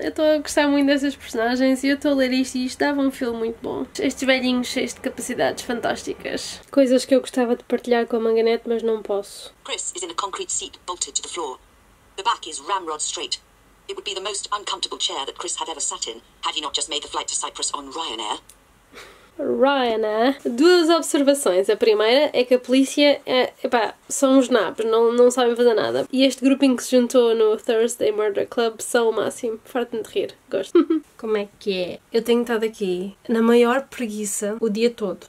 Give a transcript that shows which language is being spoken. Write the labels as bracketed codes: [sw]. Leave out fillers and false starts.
[pt] Eu estou a gostar muito dessas personagens e eu estou a ler isto e isto dava um filme muito bom. Estes velhinhos cheios de capacidades fantásticas. Coisas que eu gostava de partilhar com a Manganete, mas não posso. [en] Chris is in a concrete seat bolted to the floor. The back is ramrod straight. It would be the most uncomfortable chair that Chris had ever sat in, had he not just made the flight to Cyprus on Ryanair. [pt] Ryanair. 2 observações. A primeira é que a polícia é, epá, são os nabos, não sabem fazer nada. E este grupinho que se juntou no Thursday Murder Club são o máximo. Farto-me de rir. Gosto. Como é que é? Eu tenho estado aqui na maior preguiça o dia todo.